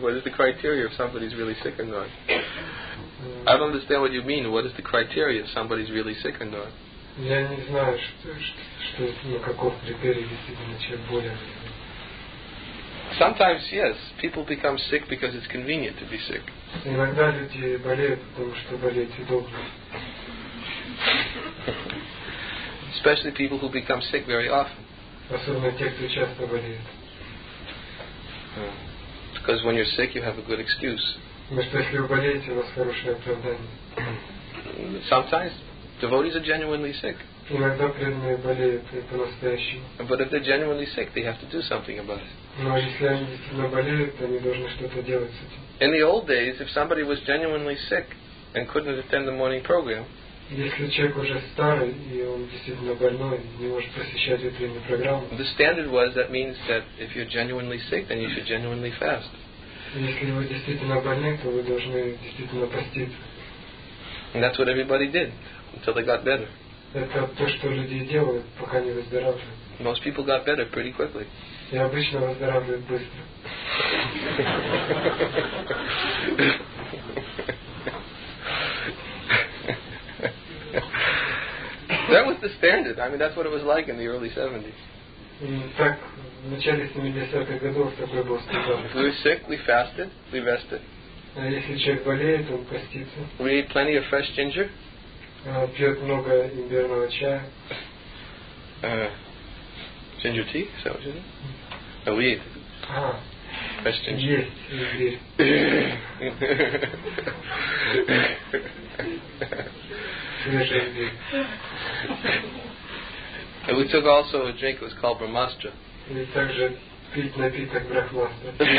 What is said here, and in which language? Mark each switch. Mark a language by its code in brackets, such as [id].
[en] What is the criteria if somebody's really sick or not? I don't understand what you mean. What is the criteria if somebody's really sick or not? [ru] Я не знаю, что на каком критерии действительно человек болен. [en] Sometimes, yes, people become sick because it's convenient to be sick. [ru] Иногда люди болеют, потому что болеть удобно. [en] Especially people who become sick very often. [ru] Особенно те, кто часто болеет. [en] Because when you're sick, you have a good excuse. [ru] Потому что если вы болеете, у вас хорошее оправдание. [en] Sometimes devotees are genuinely sick. [ru] Иногда преданные болеют, это настоящее. [en] But if they're genuinely sick, they have to do something about it. [ru] Но если они действительно болеют, они должны что-то делать с этим. [en] In the old days, if somebody was genuinely sick and couldn't attend the morning program, [ru] если человек уже старый и он действительно больной, не может посещать утреннюю программу, [en] the standard was that means that if you're genuinely sick, then you should genuinely fast. [ru] Если вы действительно больны, то вы должны действительно поститься. [en] And that's what everybody did until they got better. [ru] Это то, что люди делают, пока не выздоравливают. [en] Most people got better pretty quickly. [ru] И обычно выздоравливают быстро. [en] That was the standard. I mean, that's what it was like in the early 70s. [ru] Так, в начале 70-х годов такой был стандарт. [en] We were sick, we fasted, we rested. [ru] А если человек болеет, он постится. [en] We ate plenty of fresh ginger. [ru] Пьет много имбирного чая. [en] Ginger tea? Is that what you mean? Oh, we ate. Fresh ginger. Yes, indeed. And we took also a drink, it was called Brahmastra. [ru] И также пить напиток Брахмастра.